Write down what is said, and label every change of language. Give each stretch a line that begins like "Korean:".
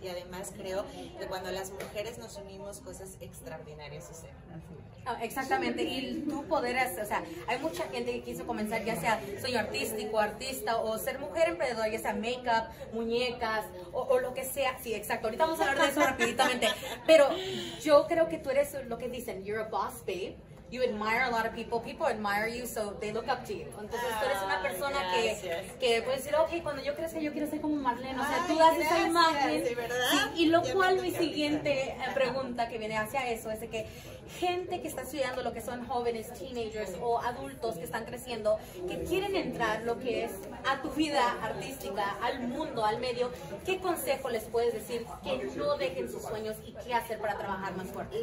Spanish: Y además creo que cuando las mujeres nos unimos, cosas extraordinarias suceden. Exactamente. Y tú podrás, o sea, hay mucha gente que quiso comenzar, ya sea sueño artístico, artista, o ser mujer emprendedora, ya sea make-up, muñecas, o lo que sea. Sí, exacto. Ahorita vamos a hablar de eso rapiditamente. Pero yo creo que tú eres lo que dicen,
English: you're a boss, babe. You admire a lot of people. People admire you, so they look up to you.
Spanish: Entonces, tú eres una persona que puede decir, ok, cuando yo crezca, yo quiero ser como Marlene. O sea, tú das esa imagen. Y lo cual, mi siguiente pregunta que viene hacia eso es de que gente que está estudiando lo que son jóvenes, teenagers o adultos que están creciendo, que quieren entrar lo que es a tu vida artística, al mundo, al medio, ¿qué consejo les puedes decir que no dejen sus sueños y qué hacer para trabajar más fuerte?